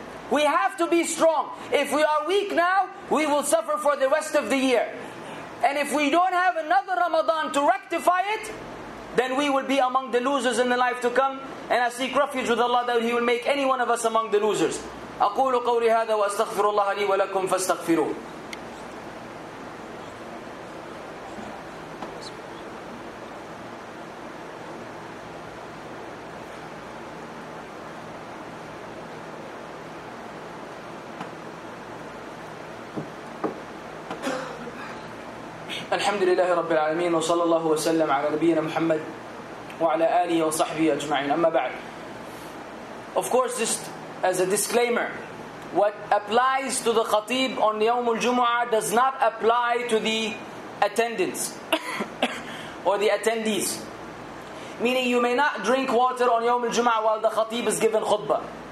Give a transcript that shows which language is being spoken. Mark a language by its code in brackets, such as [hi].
[en] We have to be strong. If we are weak now, we will suffer for the rest of the year. And if we don't have another Ramadan to rectify it, then we will be among the losers in the life to come. And I seek refuge with Allah that He will make any one of us among the losers. [ar] أقول قولي هذا وأستغفر الله لي ولكم فاستغفروه. الحمد لله رب العالمين وصلى الله وسلم على نبينا محمد وعلى آله وصحبه أجمعين. أما بعد, [en] of course, just as a disclaimer, what applies to the khatib on يوم الجمعة does not apply to the attendants or the attendees. Meaning you may not drink water on يوم الجمعة while the khatib is given khutbah.